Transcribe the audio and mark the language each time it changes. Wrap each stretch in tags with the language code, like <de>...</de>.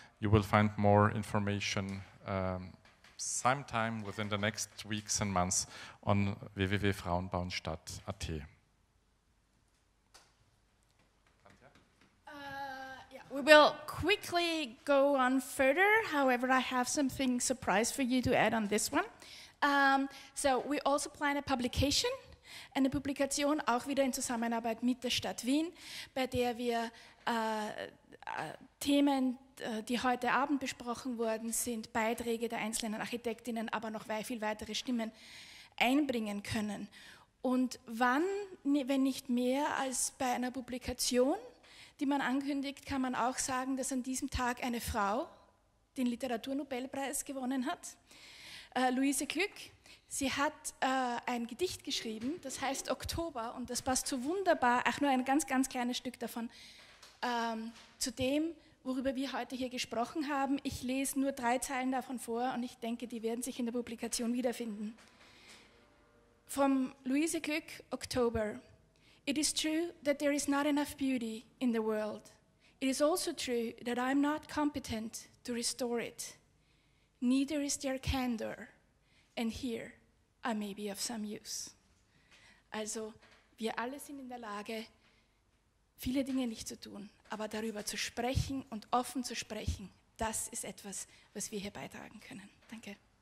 <en>You will find more information sometime within the next weeks and months on www.frauenbauenstadt.at. We will quickly go on further. However, I have something surprise for you to add on this one. So we also plan a publication,</en> <de>eine Publikation, auch wieder in Zusammenarbeit mit der Stadt Wien, bei der wir Themen, die heute Abend besprochen worden sind, Beiträge der einzelnen Architektinnen, aber noch viel weitere Stimmen einbringen können. Und wann, wenn nicht mehr als bei einer Publikation, die man ankündigt, kann man auch sagen, dass an diesem Tag eine Frau den Literaturnobelpreis gewonnen hat, Luise Glück. Sie hat ein Gedicht geschrieben, das heißt Oktober, und das passt so wunderbar, auch nur ein ganz, ganz kleines Stück davon, zu dem, worüber wir heute hier gesprochen haben. Ich lese nur 3 Zeilen davon vor und ich denke, die werden sich in der Publikation wiederfinden. Vom Luise Glück, Oktober.</de> <en>It is true that there is not enough beauty in the world. It is also true that I am not competent to restore it. Neither is there candor. And here I may be of some use.</en> <de>Also, wir alle sind in der Lage, viele Dinge nicht zu tun, aber darüber zu sprechen und offen zu sprechen, das ist etwas, was wir hier beitragen können. Danke.</de>